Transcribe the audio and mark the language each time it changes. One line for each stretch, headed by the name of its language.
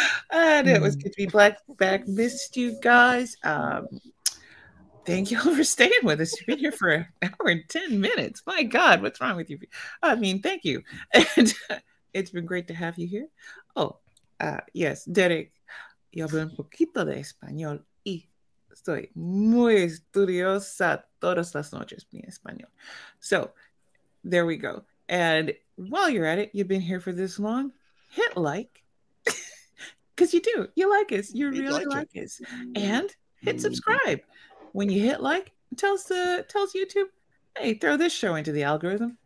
English: And it was good to be back. Missed you guys. Thank you all for staying with us. You've been here for an hour and 10 minutes. My God, what's wrong with you? I mean, thank you. And it's been great to have you here. Oh, yes, Derek.
Spanish: Yo hablo un poquito de español y estoy muy estudiosa todas las noches mi español.
English: So, there we go. And while you're at it, you've been here for this long, hit like. Because you do. You like us. You really like us. And hit subscribe. When you hit like, tells YouTube, hey, throw this show into the algorithm.